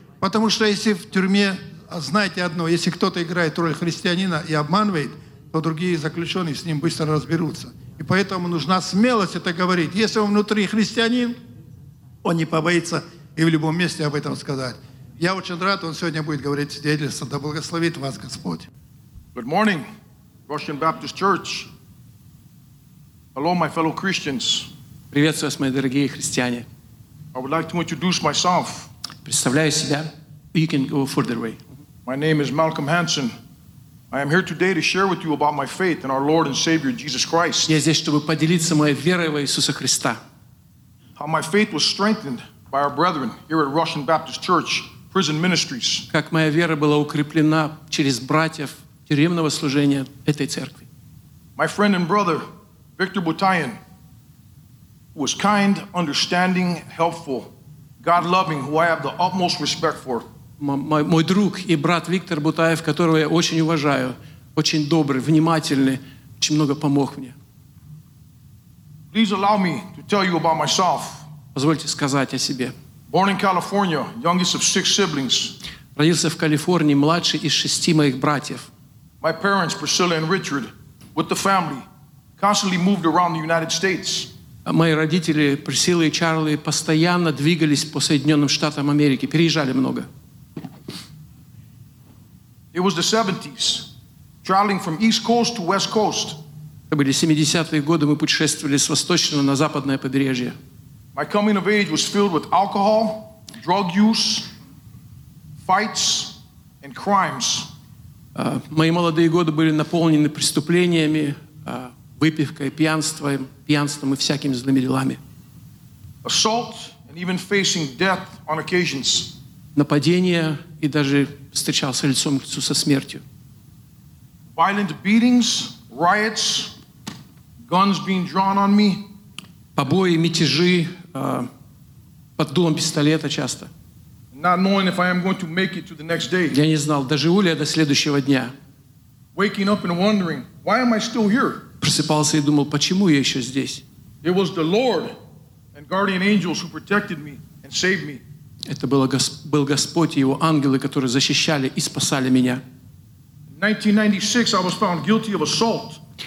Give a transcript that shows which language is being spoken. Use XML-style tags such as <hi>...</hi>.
<ru>Потому что если в тюрьме, знаете одно, если кто-то играет роль христианина и обманывает, то другие заключенные с ним быстро разберутся. И поэтому нужна смелость это говорить. Если он внутри христианин, он не побоится и в любом месте об этом сказать. Я очень рад, он сегодня будет говорить свидетельство. Да благословит вас Господь.</ru> <en>Good morning, Russian Baptist Church. Hello, my fellow Christians.</en> <ru>Приветствую вас, мои дорогие христиане.</ru> <en>I would like to introduce myself.</en> <ru>Представляю себя.</ru> <en>You can go further away. My name is Malcolm Hansen. I am here today to share with you about my faith in our Lord and Savior Jesus Christ.</en> <ru>Я здесь, чтобы поделиться моей верой в Иисуса Христа.</ru> <en>How my faith was strengthened by our brethren here at Russian Baptist Church Prison Ministries.</en> <ru>Как моя вера была укреплена через братьев тюремного служения этой церкви.</ru> <en>My friend and brother Victor Butayan was kind, understanding, helpful, God-loving, who I have the utmost respect for.</en> <ru>Мой друг и брат Виктор Бутаев, которого я очень уважаю, очень добрый, внимательный, очень много помог мне.</ru> <en>Please allow me to tell you about myself.</en> <ru>Позвольте сказать о себе.</ru> <en>Born in California, youngest of six siblings.</en> <ru>Родился в Калифорнии, младший из шести моих братьев.</ru> <en>My parents, Priscilla and Richard, with the family, constantly moved around the United States.</en> <ru>Мои родители, Присилла и Чарли, постоянно двигались по Соединенным Штатам Америки, переезжали много.</ru> <en>It was the 70s, traveling from East Coast to West Coast.</en> <ru>Это были 70-е годы, мы путешествовали с восточного на западное побережье.</ru> <en>My coming of age was filled with alcohol, drug use, fights, and crimes.</en> <ru>Мои молодые годы были наполнены преступлениями, выпивкой, пьянством и всякими злыми делами.</ru> <en>Assault and even facing death on occasions.</en> <ru>Нападение и даже встречался лицом к лицу со смертью.</ru> <en>Violent beatings, riots, guns being drawn on me.</en> <ru>Побои, мятежи, под дулом пистолета часто.</ru> <en>Not knowing if I am going to make it to the next day.</en> <ru>Я не знал, доживу ли я до следующего дня.</ru> <en>Waking up and wondering, why am I still here?</en> <ru>Просыпался и думал, почему я еще здесь?</ru> <en>It was the Lord and guardian angels who protected me and saved me.</en> <ru>Это был Господь и его ангелы, которые защищали и спасали меня.</ru> <en>In 1996 I was found guilty of assault.</en>